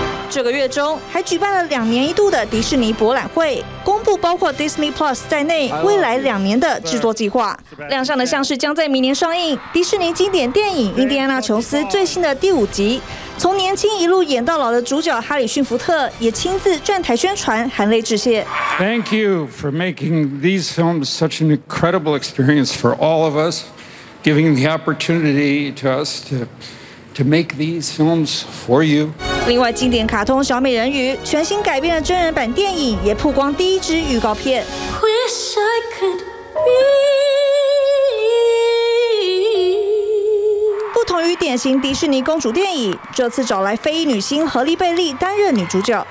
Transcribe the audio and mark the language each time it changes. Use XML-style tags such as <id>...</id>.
<zh>这个月中还举办了2年一度的迪士尼博览会，公布包括 Disney Plus 在内未来2年的制作计划。亮相的像是将在明年上映迪士尼经典电影《印第安纳琼斯》最新的第5集，从年轻一路演到老的主角哈里逊·福特也亲自站台宣传，含泪致谢。</zh> <en>Thank you for making these films such an incredible experience for all of us, giving the opportunity to us to make these films for you.</en> <zh>另外，经典卡通《小美人鱼》全新改编的真人版电影也曝光第一支预告片。</zh> <en>Wish I could be.</en> <zh>不同于典型迪士尼公主电影，这次找来非裔女星荷莉贝利担任女主角。</zh>